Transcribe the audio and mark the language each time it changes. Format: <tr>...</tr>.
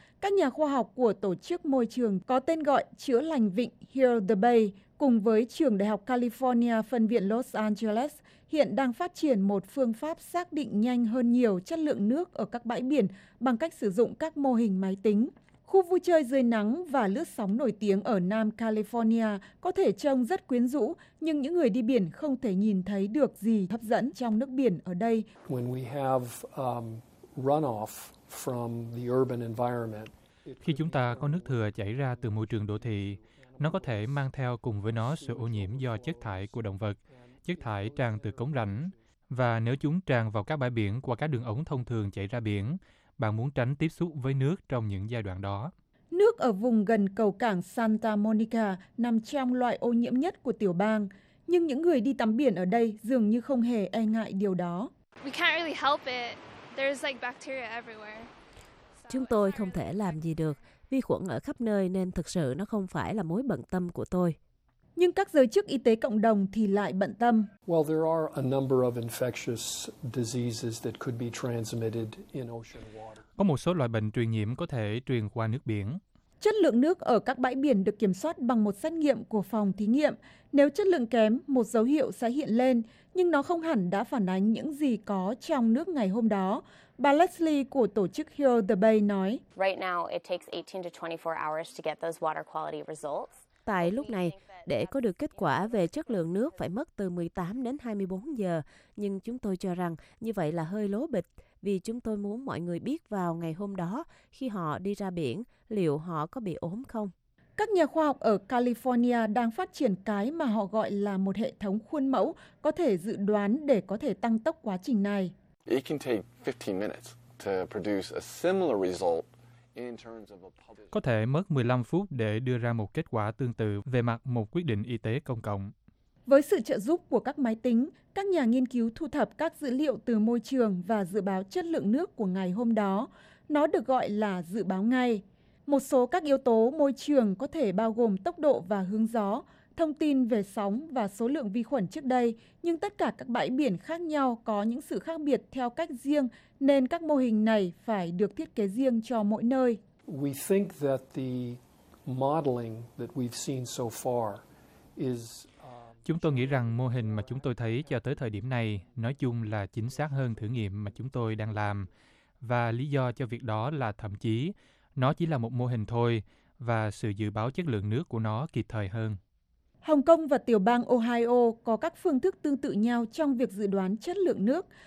<vi>Các nhà khoa học của Tổ chức Môi trường có tên gọi Chữa lành Vịnh Heal the Bay cùng với Trường Đại học California Phân viện Los Angeles hiện đang phát triển một phương pháp xác định nhanh hơn nhiều chất lượng nước ở các bãi biển bằng cách sử dụng các mô hình máy tính. Khu vui chơi dưới nắng và lướt sóng nổi tiếng ở Nam California có thể trông rất quyến rũ, nhưng những người đi biển không thể nhìn thấy được gì hấp dẫn trong nước biển ở đây.</vi> <en>When we have runoff from the urban environment.</en> <vi>Khi chúng ta có nước thừa chảy ra từ môi trường đô thị, nó có thể mang theo cùng với nó sự ô nhiễm do chất thải của động vật, chất thải tràn từ cống rãnh, và nếu chúng tràn vào các bãi biển qua các đường ống thông thường chảy ra biển, bạn muốn tránh tiếp xúc với nước trong những giai đoạn đó. Nước ở vùng gần cầu cảng Santa Monica nằm trong loại ô nhiễm nhất của tiểu bang, nhưng những người đi tắm biển ở đây dường như không hề e ngại điều đó.</vi> <en>We can't really help it. There's like bacteria everywhere.</en> <vi>Chúng tôi không thể làm gì được. Vi khuẩn ở khắp nơi nên thực sự nó không phải là mối bận tâm của tôi. Nhưng các giới chức y tế cộng đồng thì lại bận tâm.</vi> <en>Well, there are a number of infectious diseases that could be transmitted in ocean water.</en> <vi>Có một số loại bệnh truyền nhiễm có thể truyền qua nước biển. Chất lượng nước ở các bãi biển được kiểm soát bằng một xét nghiệm của phòng thí nghiệm. Nếu chất lượng kém, một dấu hiệu sẽ hiện lên, nhưng nó không hẳn đã phản ánh những gì có trong nước ngày hôm đó. Bà Leslie của tổ chức Heal the Bay nói,</vi> <en>right now it takes 18 to 24 hours to get those water quality results.</en> <vi>Tại lúc này, để có được kết quả về chất lượng nước phải mất từ 18 đến 24 giờ, nhưng chúng tôi cho rằng như vậy là hơi lố bịch. Vì chúng tôi muốn mọi người biết vào ngày hôm đó, khi họ đi ra biển, liệu họ có bị ốm không? Các nhà khoa học ở California đang phát triển cái mà họ gọi là một hệ thống khuôn mẫu có thể dự đoán để có thể tăng tốc quá trình này.</vi> <en>It can take 15 minutes to produce a similar result.</en> <vi>Có thể mất 15 phút để đưa ra một kết quả tương tự về mặt một quyết định y tế công cộng. Với sự trợ giúp của các máy tính, các nhà nghiên cứu thu thập các dữ liệu từ môi trường và dự báo chất lượng nước của ngày hôm đó. Nó được gọi là dự báo ngay. Một số các yếu tố môi trường có thể bao gồm tốc độ và hướng gió, thông tin về sóng và số lượng vi khuẩn trước đây, nhưng tất cả các bãi biển khác nhau có những sự khác biệt theo cách riêng, nên các mô hình này phải được thiết kế riêng cho mỗi nơi.</vi> <en>We think that the modeling that we've seen so far is...</en> <vi>Chúng tôi nghĩ rằng mô hình mà chúng tôi thấy cho tới thời điểm này nói chung là chính xác hơn thử nghiệm mà chúng tôi đang làm. Và lý do cho việc đó là thậm chí nó chỉ là một mô hình thôi và sự dự báo chất lượng nước của nó kịp thời hơn. Hồng Kông và tiểu bang Ohio có các phương thức tương tự nhau trong việc dự đoán chất lượng nước.</vi>